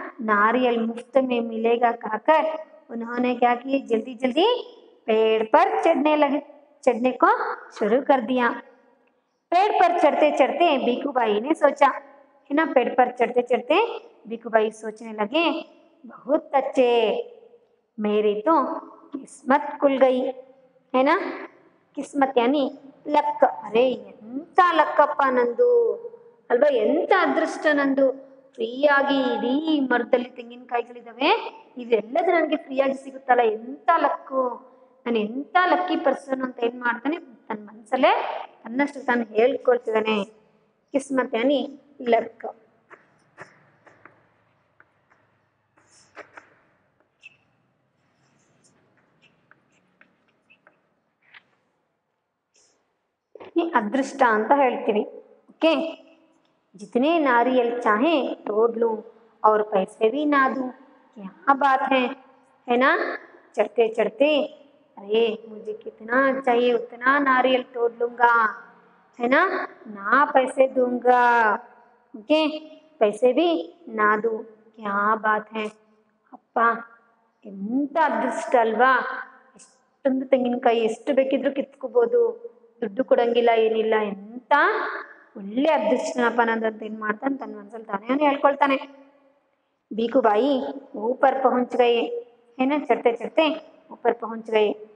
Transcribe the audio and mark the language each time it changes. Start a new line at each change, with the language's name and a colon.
Hindi: नारियल मुफ्त में मिलेगा कहकर उन्होंने क्या किए, जल्दी जल्दी पेड़ पर चढ़ने को शुरू कर दिया। पेड़ पर चढ़ते चढ़ते भीखू भाई ने सोचा, है ना, पेड़ पर चढ़ते चढ़ते भीखू भाई सोचने लगे, बहुत अच्छे, मेरी तो किस्मत खुल गई, है ना। किस्मत यानी लक।
Kannada: अरे एंता लक्कप्प नंदु, अल्वा एंता अदृष्ट नंदु, ಫ್ರೀಯಾಗಿ ಇಡೀ ಮರದಲ್ಲಿ ತೆಂಗಿನಕಾಯಿಗಳಿದ್ದಾವೆ, ಇದೆಲ್ಲದೂ ನನಗೆ ಫ್ರೀಯಾಗಿ ಸಿಗುತ್ತಲ್ಲ, ಎಂತ ಲಕ್ಕು, ನಾನು ಎಂತ ಲಕ್ಕಿ ಪರ್ಸನ್ ಅಂತ ಏನು ಮಾಡ್ತಾನೆ, ತನ್ನ ಮನಸ್ಸಲ್ಲೇ ತನ್ನಷ್ಟು ತಾನು ಹೇಳ್ಕೊಳ್ತಿದ್ದಾನೆ.
Hindi: ಕಿಸ್ಮತ್ ಯಾನಿ ಲಕ್ಕು.
Kannada: ಈ ಅದೃಷ್ಟ ಅಂತ ಹೇಳ್ತೀವಿ.
Hindi: ಓಕೆ, जितने नारियल चाहे तोड़ लूं और पैसे भी ना दूं, क्या बात है, है ना। चढ़ते चढ़ते, अरे मुझे कितना चाहिए उतना नारियल तोड़ लूंगा, है ना, ना पैसे दूंगा, ओके, पैसे भी ना दूं, क्या बात है।
Kannada: अप्पा एंत अदृष्ट अल्वा, ಎಷ್ಟೊಂದು ತೆಂಗಿನಕಾಯಿ ಎಷ್ಟು ಬೇಕಿದ್ರು ಕಿತ್ಕೋಬಹುದು, ದುಡ್ಡು ಕೊಡಂಗಿಲ್ಲ ಏನಿಲ್ಲ, ಎಂತ ಒಳ್ಳೆ ಅದೃಷ್ಟನಪ್ಪ ನಂದು ಅಂತ ಏನ್ ಮಾಡ್ತಾನೆ, ತನ್ನ ಮನ್ಸಲ್ಲಿ ತಾನೇ ಹೇಳ್ಕೊಳ್ತಾನೆ.
Hindi: ಭೀಖು ಬಾಯಿ ಊಪರ್ ಪಹುಂಚ ಗಯೆ, ಏನ ಚರ್ತೆ ಚರ್ತೆ ಊಪರ್ ಪಹುಂಚ ಗಯೆ.